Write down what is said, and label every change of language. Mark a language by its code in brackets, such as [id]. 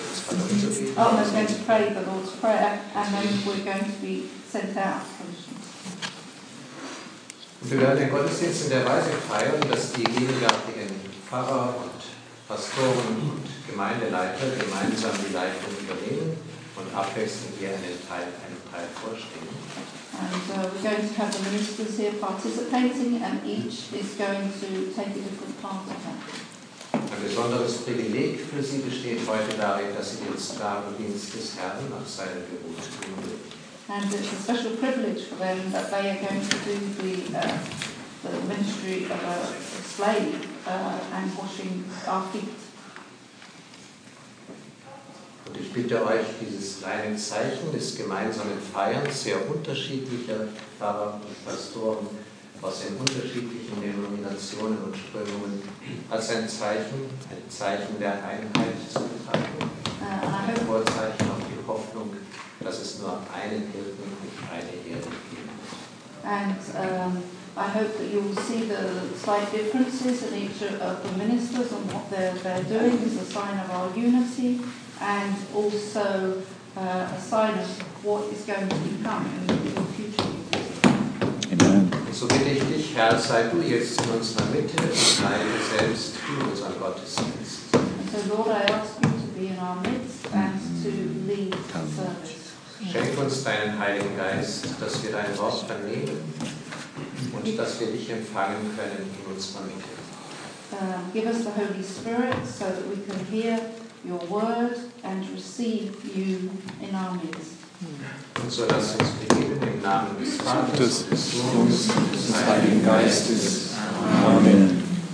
[en] We're going to pray the Lord's Prayer, and then we're going to be sent out. [de] Wir werden den Gottesdienst in der Weise feiern, dass die gegenwärtigen Pfarrer und Pastoren und Gemeindeleiter gemeinsam die Leitung übernehmen und abwechselnd hier einen Teil vorstehen. [en] And we're going to have the ministers here participating, and each is going to take a different part of that. [de] Ein besonderes Privileg für Sie besteht heute darin, dass Sie den Sklavendienst des Herrn nach seinem Gebot tun werden. [en] And it's a special privilege for them that they are going to do the ministry of a slave and washing our feet. [de] Und ich bitte euch, dieses kleine Zeichen des gemeinsamen Feierns sehr unterschiedlicher Pfarrer und Pastoren aus den unterschiedlichen Denominationen und Strömungen als ein Zeichen der Einheit zu betrachten. Ein Vorzeichen auf die Hoffnung, dass es nur einen Hirten und eine Herde gibt. [en] And I hope that you will see the slight differences in each of the ministers and what they're doing is a sign of our unity and also a sign of what is going to become in the future. Amen. [de] So bitte ich dich, Herr, sei du jetzt in unserer Mitte und sei du selbst in unserem Gottesdienst. [en] And so Lord, I ask you to be in our midst and to lead the service. [de] Schenk uns deinen Heiligen Geist, dass wir dein Wort vernehmen und dass wir dich empfangen können in unserer Mitte. [en] Give us the Holy Spirit so that we can hear your word and receive you in our midst. [de] Und so lass uns beginnen im Namen des Vaters, des Sohnes und des Heiligen Geistes. Amen.